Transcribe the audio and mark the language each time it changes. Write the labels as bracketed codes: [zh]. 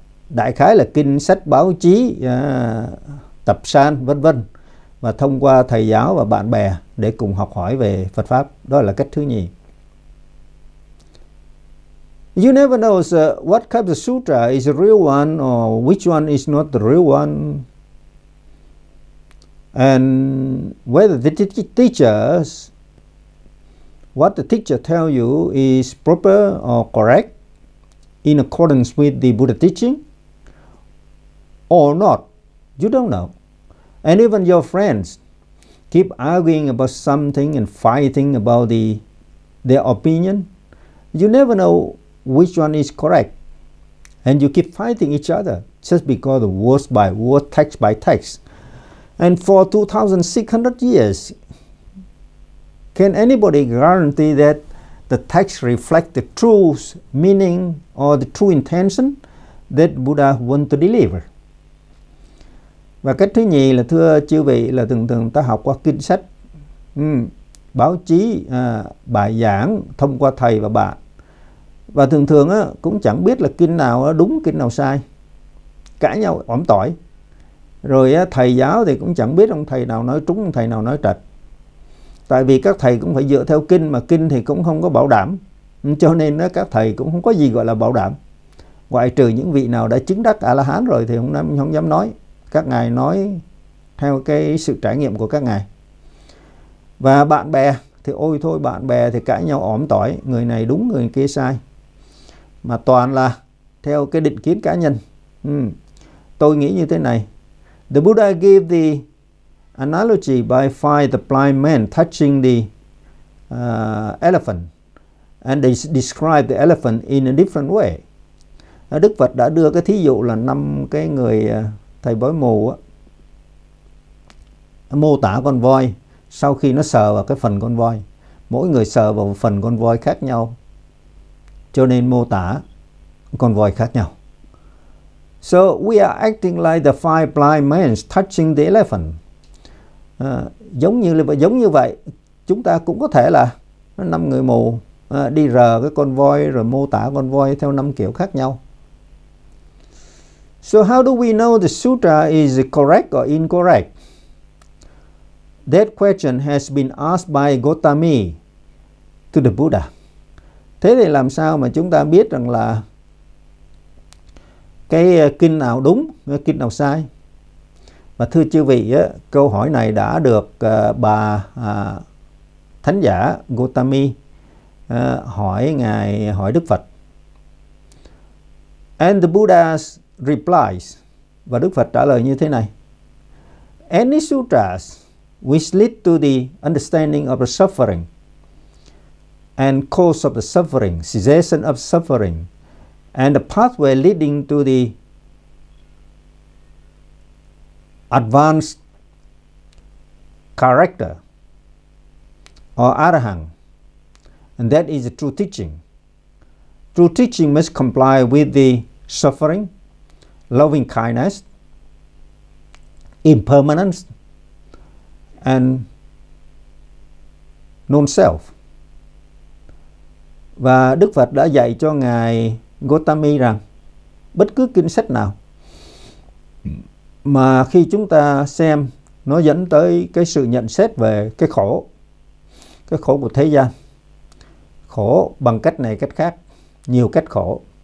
[vi] Đại khái là kinh sách, báo chí, tập san vân vân, và thông qua thầy giáo và bạn bè để cùng học hỏi về Phật pháp, đó là cách thứ nhì. [en] You never know what kind of sutra is the real one or which one is not the real one, and whether the teachers, what the teacher tell you is proper or correct in accordance with the Buddha teaching or not, you don't know. And even your friends keep arguing about something and fighting about their opinion. You never know which one is correct. And you keep fighting each other just because of words by word, text by text. And for 2,600 years, can anybody guarantee that the text reflects the true meaning or the true intention that Buddha want to deliver? [vi] Và cách thứ nhì là thưa chư vị là thường thường ta học qua kinh sách, báo chí, bài giảng thông qua thầy và bạn. Và thường thường cũng chẳng biết là kinh nào đúng, kinh nào sai. Cãi nhau, ổm tỏi. Rồi thầy giáo thì cũng chẳng biết ông thầy nào nói trúng, ông thầy nào nói trật. Tại vì các thầy cũng phải dựa theo kinh, mà kinh thì cũng không có bảo đảm. Cho nên các thầy cũng không có gì gọi là bảo đảm. Ngoại trừ những vị nào đã chứng đắc A-la-hán rồi thì không dám nói. Các ngài nói theo cái sự trải nghiệm của các ngài. Và bạn bè thì ôi thôi, bạn bè thì cãi nhau ổm tỏi, người này đúng người kia sai, mà toàn là theo cái định kiến cá nhân. Tôi nghĩ như thế này. [en] The Buddha gave the analogy by five the blind men touching the elephant and they describe the elephant in a different way. [vi] Đức Phật đã đưa cái thí dụ là năm cái người thầy bói mù mô tả con voi, sau khi nó sờ vào cái phần con voi mỗi người sờ vào một phần con voi khác nhau, cho nên mô tả con voi khác nhau. [en] So we are acting like the five blind men touching the elephant. [vi] Giống như vậy, chúng ta cũng có thể là năm người mù đi rờ cái con voi rồi mô tả con voi theo năm kiểu khác nhau. [en] So how do we know the sutra is correct or incorrect? That question has been asked by Gotami to the Buddha. [vi] Thế thì làm sao mà chúng ta biết rằng là cái kinh nào đúng, cái kinh nào sai? Và thưa chư vị, câu hỏi này đã được bà Thánh giả Gotami hỏi Đức Phật. [en] And the Buddha's replies, [vi] và Đức Phật trả lời như thế này: [en] Any sutras which lead to the understanding of the suffering and cause of the suffering, cessation of suffering, and the pathway leading to the advanced character or arahant, and that is a true teaching. True teaching must comply with the suffering, loving kindness, impermanence, and non-self. [vi] Và Đức Phật đã dạy cho Ngài Gotami rằng bất cứ kinh sách nào mà khi chúng ta xem nó dẫn tới cái sự nhận xét về cái khổ của thế gian, khổ bằng cách này cách khác, nhiều cách khổ.